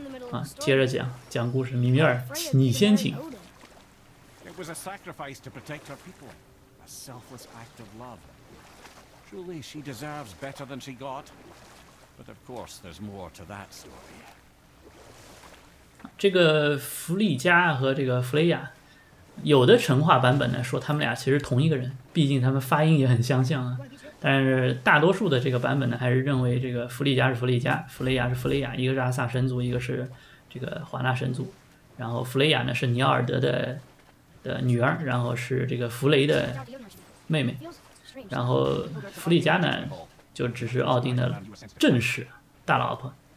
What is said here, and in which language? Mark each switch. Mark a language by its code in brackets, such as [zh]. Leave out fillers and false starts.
[zh] 啊，接着讲讲故事，米米尔，你先请。 [en] It was a sacrifice to protect her people, a selfless act of love. Truly, she deserves better than she got. But of course, there's more to that story. [zh] 这个弗利加和这个弗雷亚，有的神话版本呢说他们俩其实同一个人，毕竟他们发音也很相像啊。但是大多数的这个版本呢还是认为这个弗利加是弗利加，弗雷亚是弗雷亚，一个是阿萨神族，一个是这个华纳神族，然后弗雷亚呢是尼奥尔德的女儿，然后是这个弗雷的妹妹，然后弗利加呢就只是奥丁的正室大老婆。